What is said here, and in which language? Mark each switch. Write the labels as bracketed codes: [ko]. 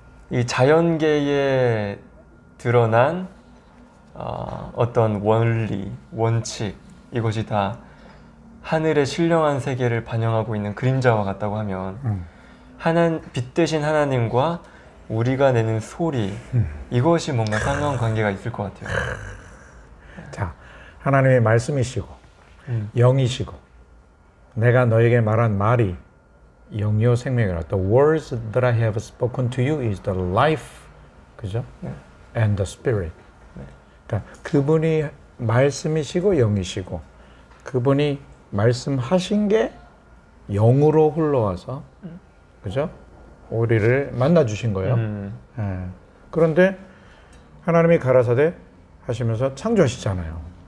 [ko] 이 자연계에 드러난 어떤 원리, 원칙, 이것이 다 하늘의 신령한 세계를 반영하고 있는 그림자와 같다고 하면, 빛 대신 하나님과 우리가 내는 소리, 이것이 뭔가 상관관계가 있을 것 같아요. 자, 하나님의 말씀이시고 영이시고 내가 너에게 말한 말이 영이요 생명이라. [en] The words that I have spoken to you is the life, 그죠? And the spirit. [ko] 그러니까 그분이 말씀이시고 영이시고 그분이 말씀하신 게 영으로 흘러와서, 그죠? 우리를 만나주신 거예요. 그런데 하나님이 가라사대 하시면서 창조하시잖아요.